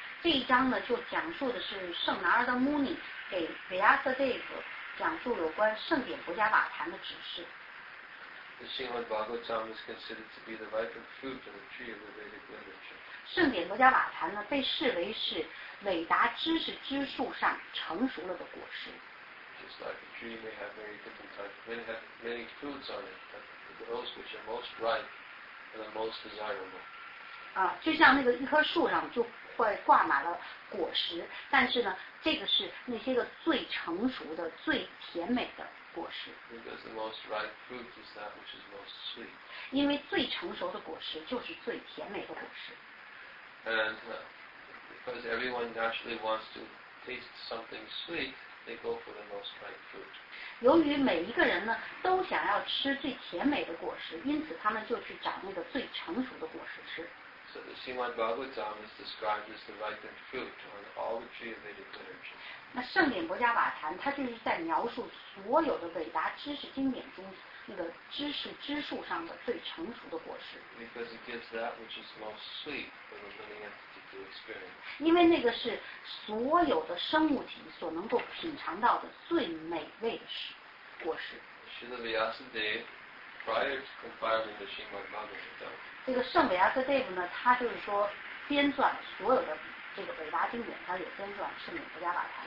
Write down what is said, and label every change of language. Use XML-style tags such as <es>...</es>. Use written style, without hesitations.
<zh>这一章呢，就讲述的是圣拿尔达穆尼给维阿瑟戴夫讲述有关圣典伯加瓦坛的指示。</zh> <en>The Srimad Bhagavatam is considered to be the ripe fruit of the tree of the Vedic literature.</en> <zh>圣典伯加瓦坛呢，被视为是伟达知识之树上成熟了的果实。</zh> <en>Just like a tree may have many different types, may have many fruits on it, but those which are most ripe are the most desirable.</en> <zh>啊，就像那个一棵树上就会挂满了果实，但是呢，这个是那些个最成熟的、最甜美的果实。</zh> <en>Because the most ripe fruit is that which is most sweet.</en> <zh>因为最成熟的果实就是最甜美的果实。</zh> <en>And because everyone naturally wants to taste something sweet, they go for the most ripe fruit.</en> <zh>由于每一个人呢都想要吃最甜美的果实，因此他们就去找那个最成熟的果实吃。</zh> <en>So the Srimad Bhagavatam is described as the ripened fruit on all the tree of Vedic literature.</en> <zh>那圣典伯加瓦坛，它就是在描述所有的伟达知识经典中那个知识之树上的最成熟的果实。</zh> <en>Because it gives that which is most sweet for the living entity to experience.</en> <zh>因为那个是所有的生物体所能够品尝到的最美味的果实。</zh> <en>Srila Vyasadeva, prior to compiling the Srimad Bhagavatam.</en> <zh>这个圣维阿瑟戴夫呢，他就是说编撰所有的这个伟大经典，他也编撰圣典伯加瓦坛，</zh>